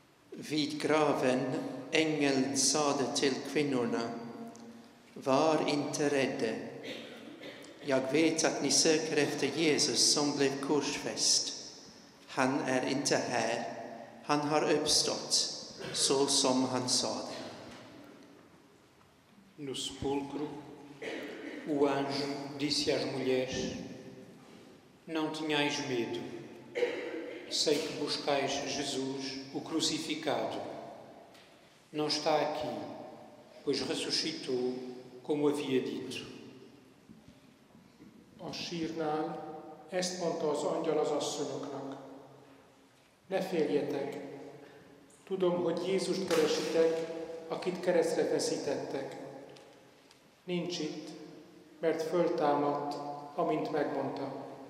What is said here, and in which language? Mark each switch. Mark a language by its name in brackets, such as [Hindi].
[Swedish] Vid graven, engeln sade til kvinnorna, var inte rädde. Jag vet att ni söker efter Jesus som blev korsfäst. Han är inte här. Han har uppstått, så som han sa det. [Portuguese] No sepulcro, o anjo disse às mulheres: Não tenhais medo. Sei que buscais Jesus, o crucificado. Não está aqui, pois ressuscitou, como havia dito. [Hungarian] A sírnál ezt mondta az angyal az asszonyoknak: Ne féljetek, tudom, hogy Jézust keresitek, akit keresztre feszítettek. Nincs itt, mert föltámadt, amint megmondta.